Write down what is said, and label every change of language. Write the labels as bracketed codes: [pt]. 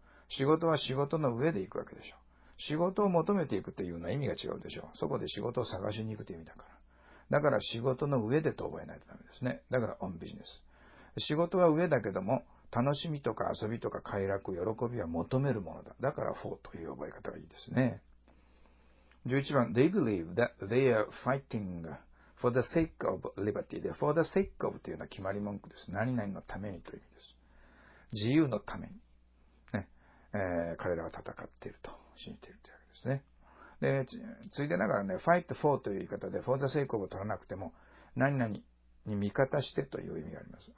[ja] 仕事は仕事の上で行くわけでしょう。仕事を求めていくというのは意味が違うでしょう。そこで仕事を探しに行くという意味だから。だから仕事の上でと覚えないとダメですね。だから on business。仕事は上だけども、楽しみとか遊びとか快楽、喜びは求めるものだ。だから for という覚え方がいいですね。 [en] 11番、they believe that they are fighting for the sake of liberty. [ja] で、 for the sake of というのは決まり文句です。何々のためにという意味です。自由のために。彼らは戦っていると信じているというわけですね。で、ついでながらね、 fight for という言い方で、 for the sake of を取らなくても、何々に味方してという意味があります。